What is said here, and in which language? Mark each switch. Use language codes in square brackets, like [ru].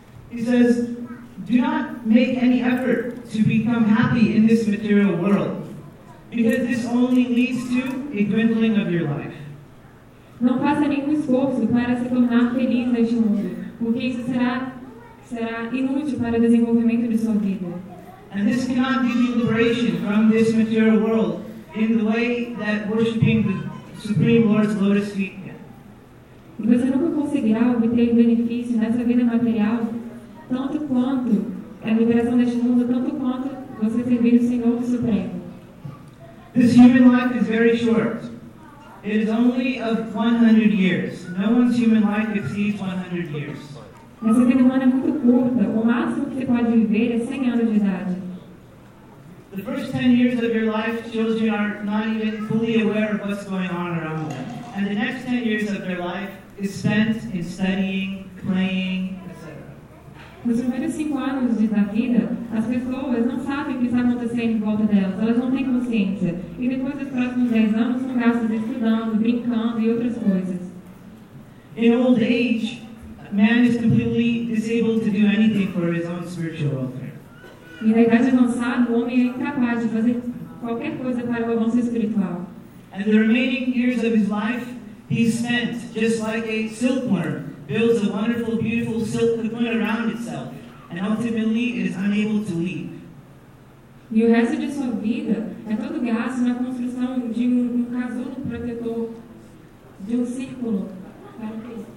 [en] He says, do not make any effort to become happy in this material world, because this only leads to a dwindling of your life. [pt] Não faça nenhum esforço para se tornar feliz neste mundo, porque isso será inútil para o desenvolvimento de sua vida. [en] And this cannot give you liberation from this material world in the way that worshipping the Supreme Lord's lotus feet. [pt] Você nunca conseguirá obter benefícios nessa vida material tanto quanto a liberação deste mundo, tanto quanto você servir o Senhor Supremo. [en] This human life is very short. It is only of 100 years. No one's human life exceeds 100 years. [pt] Essa vida humana é muito curta. O máximo que você pode viver é 100 anos de idade. [en] The first 10 years of your life, children are not even fully aware of what's going on around them. And the next 10 years of their life is spent in studying, playing, etc. [pt] Nos primeiros 5 anos da vida, as pessoas não sabem o que está acontecendo em volta delas. Elas não têm consciência. E depois dos próximos 10 anos, são gastos estudando, brincando e outras coisas. [en] In old age, man is completely disabled to do anything for his own spiritual welfare. [pt] E na idade avançada, o homem é incapaz de fazer qualquer coisa para o avanço espiritual. [en] And the remaining years of his life, he spent just like a silkworm builds a wonderful, beautiful silk cocoon around itself, and ultimately is unable to leave. [pt] E o resto de sua vida é todo gasto na construção de um casulo protetor, de um círculo para que